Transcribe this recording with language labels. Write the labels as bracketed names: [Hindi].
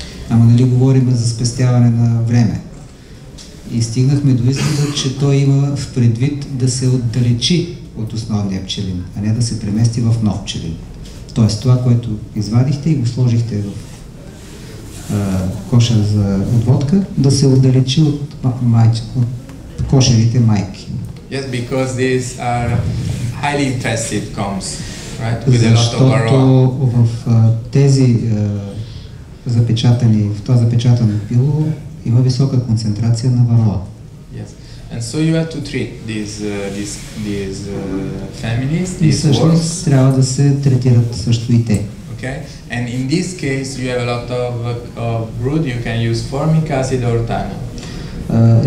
[Bulgarian] Ама нали говорим за спестяване на време? И стигнахме до извода, че той има в предвид да се отдалечи от основния пчелин, а не да се премести в нов пчелин. Тоест това, което извадихте и го сложихте в кошер за отводка, да се отдалечи от от кошерите майки. [English] Yes, because these are highly infested combs, right? With a lot of varroa. [Bulgarian] В тези запечатани, в това запечатано пило има висока концентрация на варроа. [English] And so you have to treat these families, these [Bulgarian] wolves. И всъщност трябва да се третират също и те. [English] Okay. And in this case you have a lot of brood, you can use formic acid or thymol.